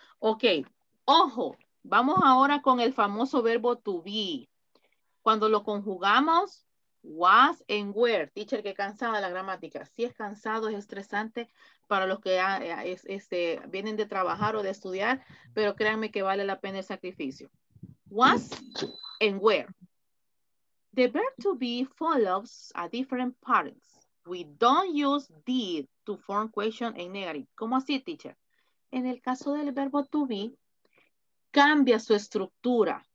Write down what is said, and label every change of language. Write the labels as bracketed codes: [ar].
[es] Ok, ojo, vamos ahora con el famoso verbo to be. Cuando lo conjugamos, was and were. Teacher, qué cansada la gramática. Si es cansado, es estresante para los que vienen de trabajar o de estudiar, pero créanme que vale la pena el sacrificio. [en] Was and were. The verb to be follows a different pattern. We don't use did to form question and negative. [es] ¿Cómo así, teacher? En el caso del verbo to be, cambia su estructura.